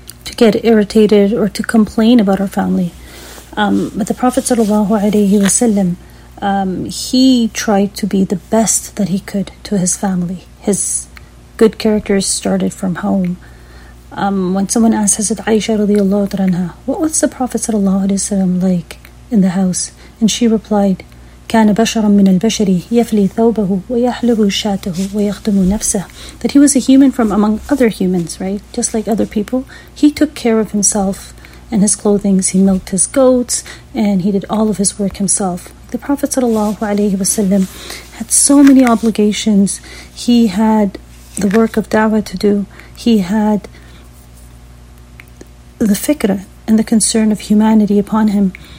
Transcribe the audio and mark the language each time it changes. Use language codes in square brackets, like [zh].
[en] To get irritated or to complain about our family. But the Prophet sallallahu alaihi wasallam, he tried to be the best that he could to his family. His good characters started from home. When someone asks, is it Aisha radiallahu anha, what's the Prophet sallallahu alayhi wa sallam like in the house? And she replied, [ar] كان بشرا من البشر يفلي ثوبه ويحلب شاته ويخدم نفسه. [en] That he was a human from among other humans, right? Just like other people. He took care of himself and his clothing. He milked his goats and he did all of his work himself. The Prophet sallallahu alayhi wa sallam had so many obligations. He had the work of da'wah to do. He had the fikr and the concern of humanity upon him.